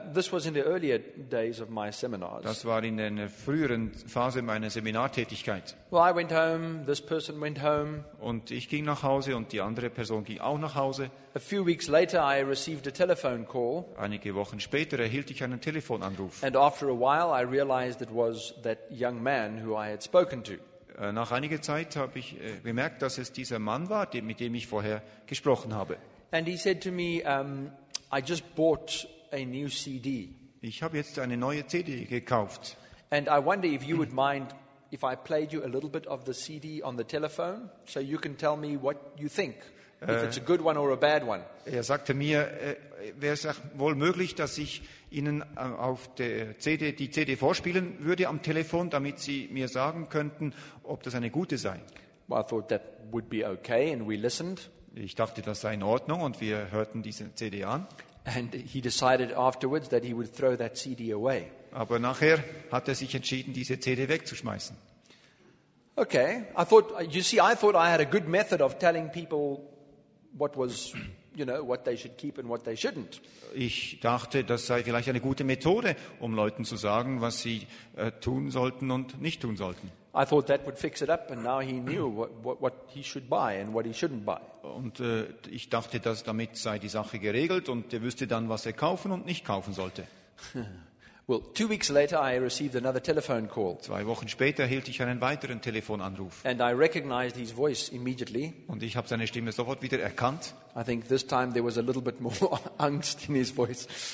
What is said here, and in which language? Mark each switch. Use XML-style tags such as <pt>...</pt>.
<en>This was in the earlier days of my seminars.</en> <de>Das war in der früheren Phase meiner Seminartätigkeit.</de> <en>Well, I went home, this person went home.</en> <de>Und ich ging nach Hause und die andere Person ging auch nach Hause.</de> <en>A few weeks later I received a telephone call.</en> <de>Einige Wochen später erhielt ich einen Telefonanruf.</de> <en>And after a while I realized it was that young man who I had spoken to.</en> <de>Nach einiger Zeit habe ich bemerkt, dass es dieser Mann war, mit dem ich vorher gesprochen habe.</de> <en>And he said to me, I just bought a new CD.</en> <de>Ich habe jetzt eine neue CD gekauft.</de> <en>And I wonder if you would mind if I played you a little bit of the CD on the telephone, so you can tell me what you think, if it's a good one or a bad one.</en> <de>Er sagte mir, wäre es wohl möglich, dass ich Ihnen auf der CD die CD vorspielen würde am Telefon, damit Sie mir sagen könnten, ob das eine gute sei.</de> <en>Well, I thought that would be okay, and we listened.</en> <de>Ich dachte, das sei in Ordnung und wir hörten diese CD an.</de> <en>And he decided afterwards that he would throw that CD away.</en> <de>Aber nachher hat er sich entschieden, diese CD wegzuschmeißen.</de> <en>Okay, I thought, you see, I thought I had a good method of telling people what was, you know, what they should keep and what they shouldn't.</en> <de>Ich dachte, das sei vielleicht eine gute Methode, um Leuten zu sagen, was sie tun sollten und nicht tun sollten.</de> <en>I thought that would fix it up, and now he knew what he should buy and what he shouldn't buy.</en> <de>Und ich dachte, dass damit sei die Sache geregelt und er wüsste dann, was er kaufen und nicht kaufen sollte.</de> <en>Well, 2 weeks later, I received another telephone call.</en> <de>2 Wochen später erhielt ich einen weiteren Telefonanruf.</de> <en>And I recognized his voice immediately.</en> <de>Und ich habe seine Stimme sofort wieder erkannt.</de> <en>I think this time there was a little bit more angst in his voice.</en>